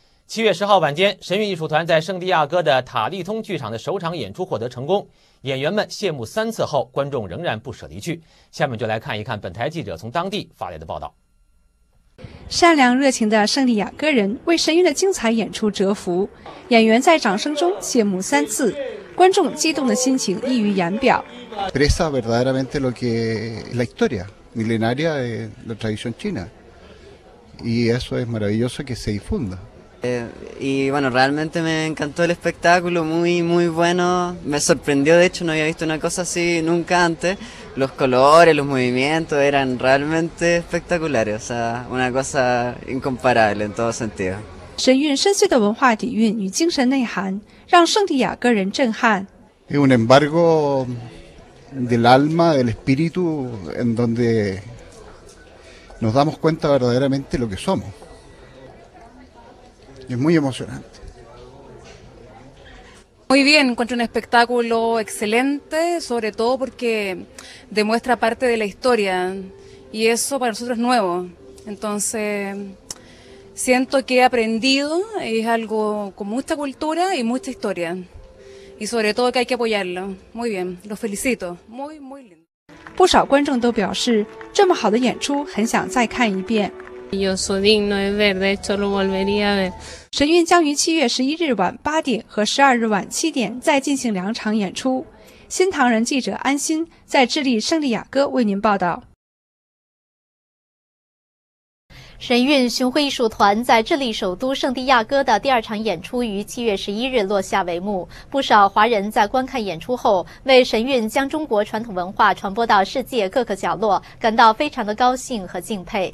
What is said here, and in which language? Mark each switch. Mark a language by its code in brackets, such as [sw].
[zh] 7月10号晚间，神韵艺术团在圣地亚哥的塔利通剧场的首场演出获得成功，演员们谢幕三次后，观众仍然不舍离去。下面就来看一看本台记者从当地发来的报道。善良热情的圣地亚哥人为神韵的精彩演出折服，演员在掌声中谢幕三次，观众激动的心情溢于言表。 [es] Expresa verdaderamente lo que la historia milenaria de la tradición china, y eso es maravilloso que se difunda. Y bueno, realmente me encantó el espectáculo, muy muy bueno. Me sorprendió, de hecho, no había visto una cosa así nunca antes. Los colores, los movimientos eran realmente espectaculares, o sea, una cosa incomparable en todo sentido. [zh] 神韵深邃的文化底蕴与精神内涵让圣地亚哥人震撼。 [es] Es un embargo del alma, del espíritu, en donde nos damos cuenta verdaderamente lo que somos. Es muy emocionante. Muy bien, encuentro un espectáculo excelente, sobre todo porque demuestra parte de la historia, y eso para nosotros es nuevo. Entonces... Siento que he aprendido, es algo con mucha cultura y mucha historia. Y sobre todo que hay que apoyarlo. Muy bien, los felicito. Muy, muy lindo. [zh] 不少观众都表示，这么好的演出很想再看一遍。 [es] Yo soy digno de ver, de hecho lo volvería a ver. [zh] 神韵将于7月11日晚8点和12日晚7点再进行两场演出。新唐人记者安心在智利圣地亚哥为您报道。神韵巡回艺术团在智利首都圣地亚哥的第二场演出于7月11日落下帷幕，不少华人在观看演出后为神韵将中国传统文化传播到世界各个角落感到非常的高兴和敬佩。